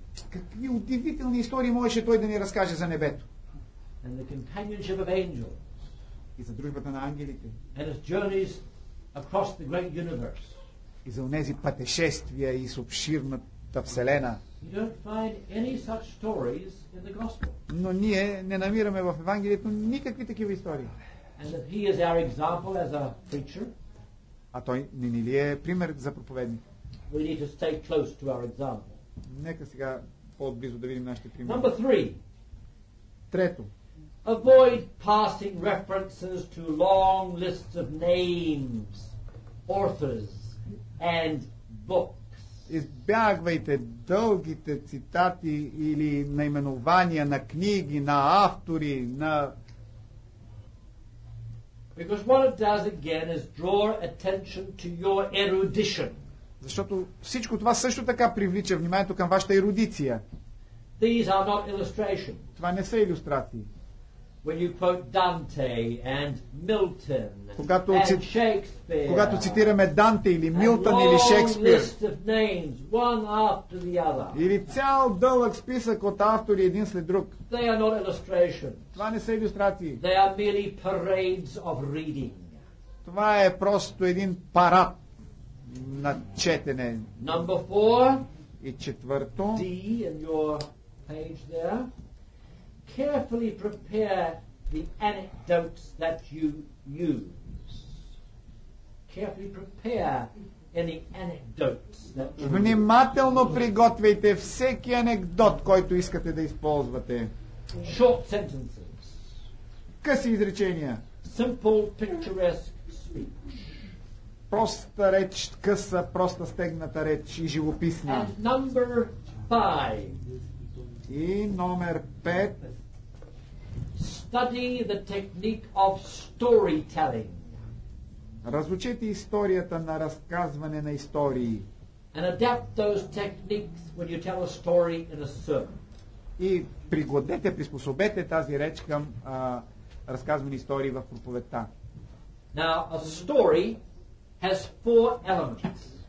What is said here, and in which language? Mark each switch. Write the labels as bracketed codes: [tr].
[bg] Какви удивителни истории можеше той да ни разкаже за небето. [en] And the companionship of angels. [bg] И за дружбата на ангелите. [en] And his journeys across the great universe. [bg] И за онези пътешествия из обширната вселена. [en] You don't find any such stories in the gospel. [bg] Но ние не намираме в Евангелието никакви такива истории. [en] And that he is our example as a preacher. [bg] А той не ли е пример за проповедник? [en] We need to stay close to our example. [bg] Нека сега по-близо да видим нашите примери. [en] Number three. [bg] Трето. [en] Avoid passing references to long lists of names, authors and books. [bg] Избягвайте дългите цитати или наименования на книги, на автори, на... [en] Because what it does again is draw attention to your erudition. [bg] Защото всичко това също така привлича вниманието към вашата ерудиция. [en] These are not illustrations. [bg] Това не са илюстрации. [en] When you quote Dante and Milton, [bg] когато, [en] and Shakespeare, [bg] когато цитираме Данте или Милтън или Шекспир, [en] list of names, one after the other, [bg] или цял дълъг списък от автори един след друг, [en] they are not illustrations. [bg] Това не са илюстрации. [en] They are merely parades of reading. [bg] Това е просто един парад на четене. [en] Number four. [bg] И четвърто. [en] D in your page there. Carefully prepare the anecdotes that you use. Carefully prepare any anecdotes that you use. [bg] Внимателно приготвяйте всеки анекдот, който искате да използвате. [en] Short sentences. [bg] Къси изречения. [en] Simple picturesque speech. [bg] Проста реч, къса, проста стегната реч и живописна. [en] And number five. [bg] И номер 5. [en] Study the technique of storytelling. [bg] Разучете историята на разказване на истории. [en] And adapt those techniques when you tell a story in a sermon. [bg] И пригодете, приспособете тази реч към разказване истории в проповедта. [en] Now, a story has four elements.